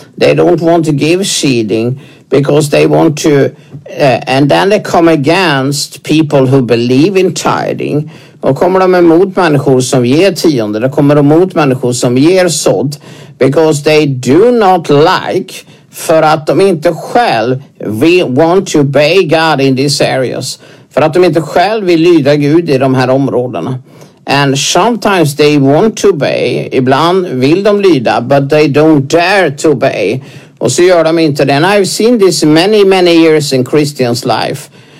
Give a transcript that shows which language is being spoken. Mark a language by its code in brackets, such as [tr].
[en] They don't want to give seeding because they want to. And then they come against people who believe in tithing. [sv] Och kommer de emot människor som ger tionde. Då kommer de emot människor som ger sådd. [en] Because they do not like. [sv] För att de inte själv vill [en] want to obey God in these areas. [sv] För att de inte själv vill lyda Gud i de här områdena. [en] And sometimes they want to obey. [sv] Ibland vill de lyda, [en] but they don't dare to obey. [sv] Och så gör de inte det. [en] And I've seen this many, many years in Christians life.